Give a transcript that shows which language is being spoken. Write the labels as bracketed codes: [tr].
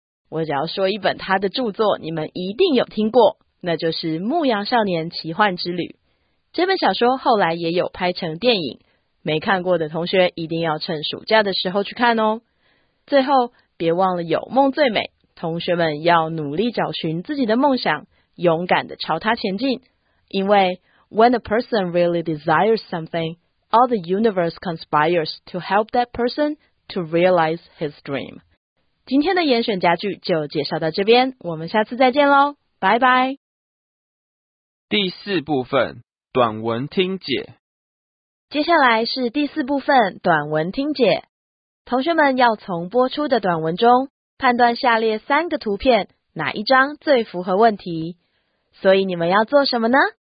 [zh] 我只要说一本他的著作你们一定有听过，那就是《牧羊少年奇幻之旅》。这本小说后来也有拍成电影，没看过的同学一定要趁暑假的时候去看哦。最后别忘了有梦最美，同学们要努力找寻自己的梦想，勇敢地朝他前进。因为 [en] When a person really desires something, all the universe conspires to help that person to realize his dream. [zh] 今天的严选家具就介绍到这边，我们下次再见咯，拜拜。第四部分，短文听解。接下来是第四部分，短文听解。同学们要从播出的短文中判断下列三个图片哪一张最符合问题，所以你们要做什么呢？